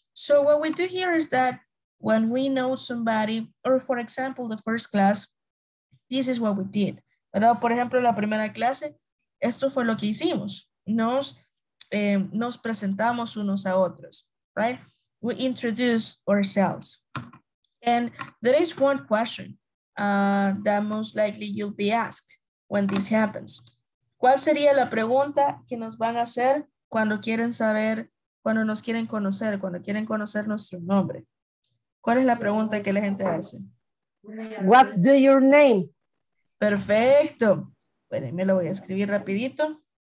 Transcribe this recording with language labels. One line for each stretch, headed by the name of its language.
English: So what we do here is that when we know somebody, or for example, the first class, this is what we did.
Spanish: ¿Verdad? Por ejemplo, la primera clase, esto fue lo que hicimos. Nos presentamos unos a otros,
English: right? We introduce ourselves. And there is one question that most likely you'll be asked when this happens.
Spanish: ¿Cuál sería la pregunta que nos van a hacer cuando quieren saber, cuando nos quieren conocer, cuando quieren conocer nuestro nombre? ¿Cuál es la pregunta que la gente hace?
English: What do your name?
Spanish: Perfecto. Bueno, me lo voy a escribir rapidito.